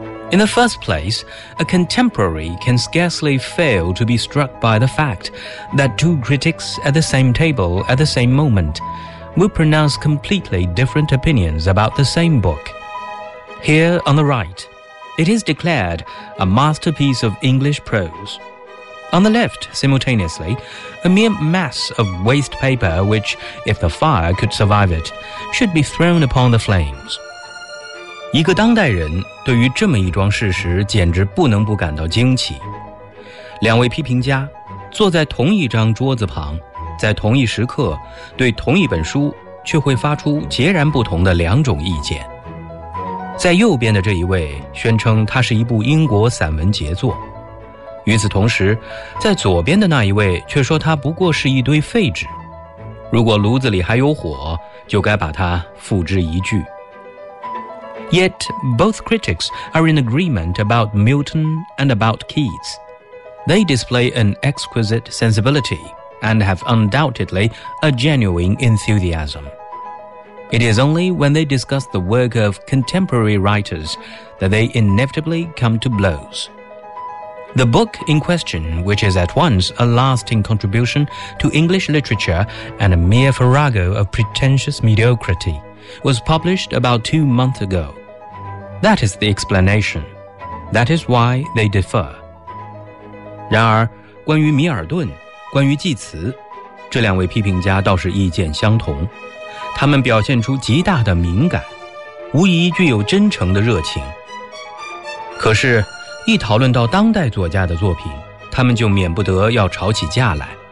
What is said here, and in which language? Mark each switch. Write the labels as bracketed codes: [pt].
[en] In the first place, a contemporary can scarcely fail to be struck by the fact that two critics at the same table at the same moment will pronounce completely different opinions about the same book. Here on the right, it is declared a masterpiece of English prose. On the left, simultaneously, a mere mass of waste paper which, if the fire could survive it, should be thrown upon the flames. [zh] 一个当代人对于这么一桩事实简直不能不感到惊奇。两位批评家坐在同一张桌子旁，在同一时刻对同一本书却会发出截然不同的两种意见。在右边的这一位宣称它是一部英国散文杰作，与此同时，在左边的那一位却说它不过是一堆废纸，如果炉子里还有火，就该把它付之一炬。 [en] Yet both critics are in agreement about Milton and about Keats. They display an exquisite sensibility and have undoubtedly a genuine enthusiasm. It is only when they discuss the work of contemporary writers that they inevitably come to blows. The book in question, which is at once a lasting contribution to English literature and a mere farrago of pretentious mediocrity, was published about 2 months ago. That is the explanation. That is why they differ. [zh] 然而，关于米尔顿，关于济慈，这两位批评家倒是意见相同。他们表现出极大的敏感，无疑具有真诚的热情。可是一讨论到当代作家的作品，他们就免不得要吵起架来。